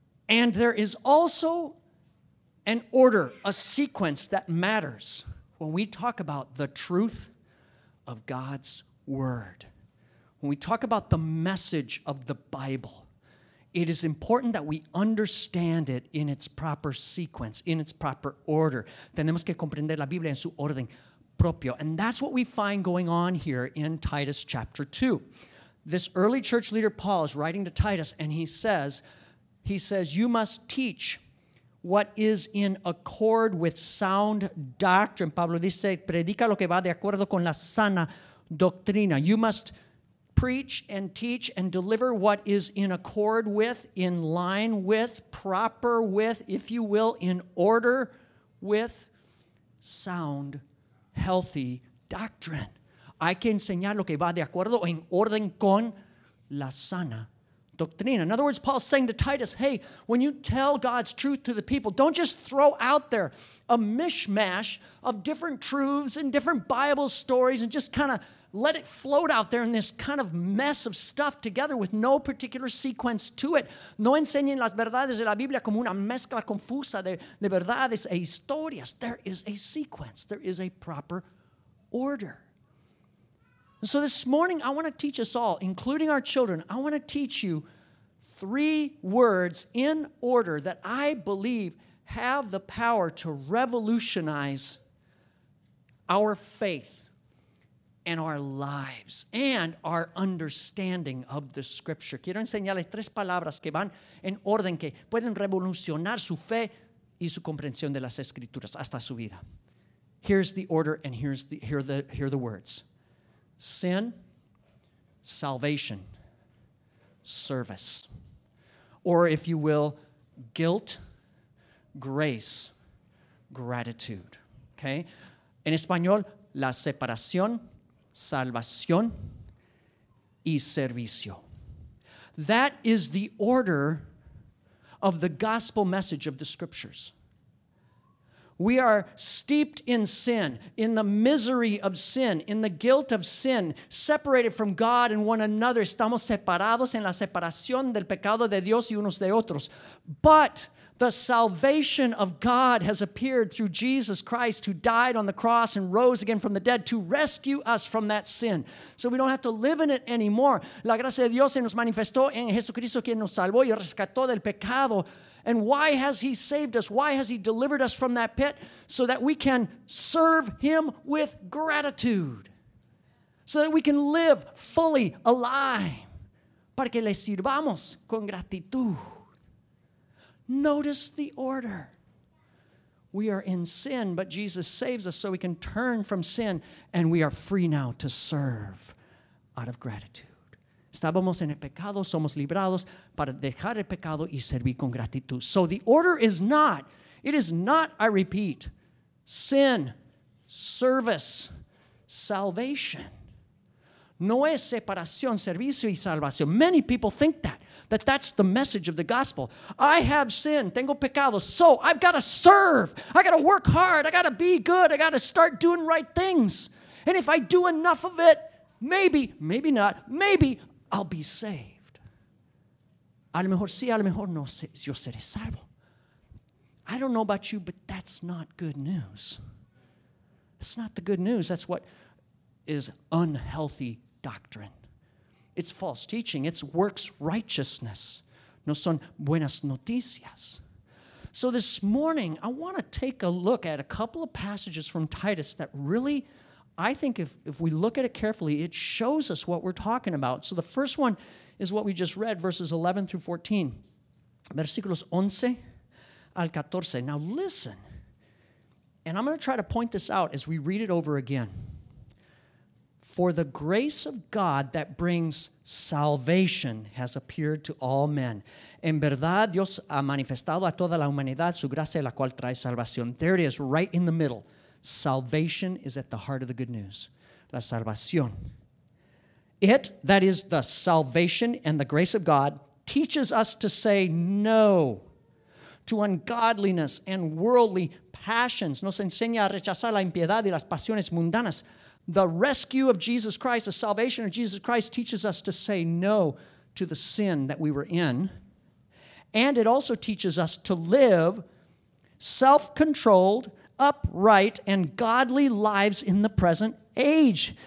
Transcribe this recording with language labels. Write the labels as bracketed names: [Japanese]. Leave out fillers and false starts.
[English] And there is also an order, a sequence that matters when we talk about the truth of God's word. When we talk about the message of the Bible, it is important that we understand it in its proper sequence, in its proper order. [Spanish] Tenemos que comprender la Biblia en su orden propio. [English] And that's what we find going on here in Titus chapter 2. This early church leader Paul is writing to Titus, and he says, you must teach what is in accord with sound doctrine. [Spanish] Pablo dice, predica lo que va de acuerdo con la sana doctrina. [English] You must preach and teach and deliver what is in accord with, in line with, proper with, if you will, in order with sound, healthy doctrine. [Spanish] Hay que enseñar lo que va de acuerdo en orden con la sana doctrina. [English] In other words, Paul's saying to Titus, hey, when you tell God's truth to the people, don't just throw out there a mishmash of different truths and different Bible stories and just kind of let it float out there in this kind of mess of stuff together with no particular sequence to it. [Spanish] No enseñen las verdades de la Biblia como una mezcla confusa de verdades e historias. [English] There is a sequence. There is a proper order. And so this morning, I want to teach us all, including our children, I want to teach you three words in order that I believe have the power to revolutionize our faith and our lives and our understanding of the Scripture. [Spanish] Quiero enseñarles tres palabras que van en orden, que pueden revolucionar su fe y su comprensión de las Escrituras hasta su vida. [English] Here's the order and here are the words. Sin, salvation, service. Or if you will, guilt, grace, gratitude. Okay? [Spanish] En español, la separación, salvación, y servicio. [English] That is the order of the gospel message of the Scriptures. We are steeped in sin, in the misery of sin, in the guilt of sin, separated from God and one another. [Spanish] Estamos separados en la separación del pecado de Dios y unos de otros. [English] But the salvation of God has appeared through Jesus Christ, who died on the cross and rose again from the dead to rescue us from that sin. So we don't have to live in it anymore. [Spanish] La gracia de Dios se nos manifestó en Jesucristo, quien nos salvó y rescató del pecado. [English] And why has he saved us? Why has he delivered us from that pit? So that we can serve him with gratitude. So that we can live fully alive. [Spanish] Para que le sirvamos con gratitud. [English] Notice the order. We are in sin, but Jesus saves us so we can turn from sin. And we are free now to serve out of gratitude. [Spanish] Estábamos en el pecado, somos librados para dejar el pecado y servir con gratitud. [English] So the order is not, I repeat, sin, service, salvation. [Spanish] No es separación, servicio y salvación. [English] Many people think that that's the message of the gospel. I have sin, [Spanish] tengo pecado, [English] so I've got to serve. I got to work hard. I got to be good. I got to start doing right things. And if I do enough of it, maybe I'll be saved. [Spanish] A lo mejor sí, a lo mejor no, yo seré salvo. [English] I don't know about you, but that's not good news. It's not the good news. That's what is unhealthy doctrine. It's false teaching. It's works righteousness. [Spanish] No son buenas noticias. [English] So this morning, I want to take a look at a couple of passages from Titus that really, I think if we look at it carefully, it shows us what we're talking about. So the first one is what we just read, verses 11 through 14. [Spanish] Versículos 11 al 14. [English] Now listen, and I'm going to try to point this out as we read it over again. For the grace of God that brings salvation has appeared to all men. [Spanish] En verdad, Dios ha manifestado a toda la humanidad su gracia, la cual trae salvación. [English] There it is, right in the middle. Salvation is at the heart of the good news. [Spanish] La salvación. [English] It, that is the salvation and the grace of God, teaches us to say no to ungodliness and worldly passions. [Spanish] Nos enseña a rechazar la impiedad y las pasiones mundanas. [English] The rescue of Jesus Christ, the salvation of Jesus Christ, teaches us to say no to the sin that we were in. And it also teaches us to live self-controlled, upright and godly lives in the present age.